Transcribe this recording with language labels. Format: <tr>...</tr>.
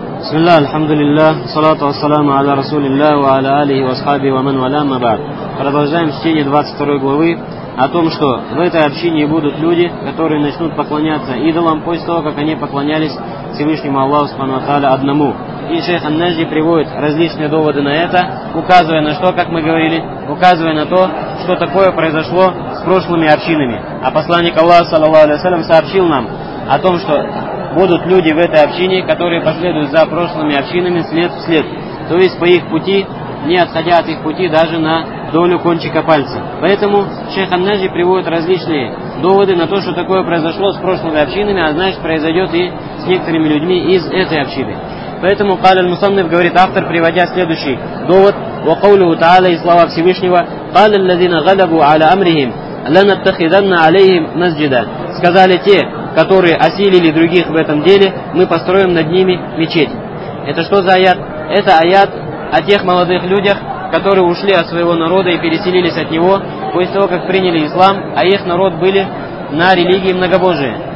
<ar>بسم الله الحمد لله والصلاة والسلام على رسول الله وعلى آله وصحبه ومن والاه ما بعد.</ar> <ru>Продолжаем чтение 22 главы о том, что в этой общине будут люди, которые начнут поклоняться идолам после того, как они поклонялись Всевышнему Аллаху Субхану ва Тааля одному. И шейх ан-Наджди приводит различные доводы на это, указывая на что, как мы говорили, указывая на то, что такое произошло с прошлыми общинами. А посланник Аллаха, саллаллаху алейхи ва саллям, сообщил нам о том, что будут люди в этой общине, которые последуют за прошлыми общинами след в след. То есть по их пути, не отходя от их пути даже на долю кончика пальца. Поэтому шейх ан-Наджди приводит различные доводы на то, что такое произошло с прошлыми общинами, а значит произойдет и с некоторыми людьми из этой общины. Поэтому</ru> <ar>قال المصنف</ar> <ru>говорит автор, приводя следующий довод:</ru> <ar>وقوله تعالى</ar> <ru>и слова Всевышнего:</ru> <ar>قال الذين غلبوا على أمرهم لنتخذن عليهم مسجدا.</ar> <ru>Сказали те, которые осилили других в этом деле, мы построим над ними мечеть. Это что за аят? Это аят о тех молодых людях, которые ушли от своего народа и переселились от него после того, как приняли ислам, а их народ были на религии многобожия.</ru>